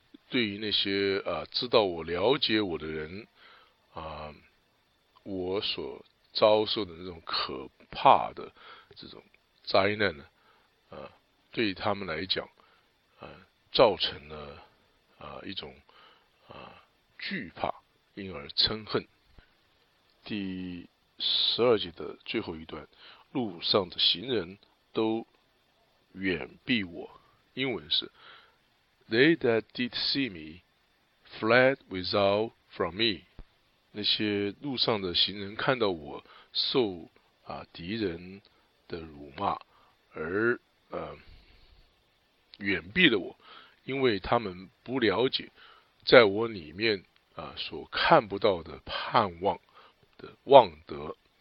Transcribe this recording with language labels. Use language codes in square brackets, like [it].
[zh] 对于那些知道我、了解我的人我所遭受的那种可怕的这种灾难呢，对他们来讲造成了一种惧怕，因而憎恨。第十二节的最后一段，路上的行人都远避我。英文是 [en] They that did see me fled without from me。 [zh] 那些路上的行人看到我受敌人的辱骂而远避了我，因为他们不了解在我里面所看不到的盼望的望德，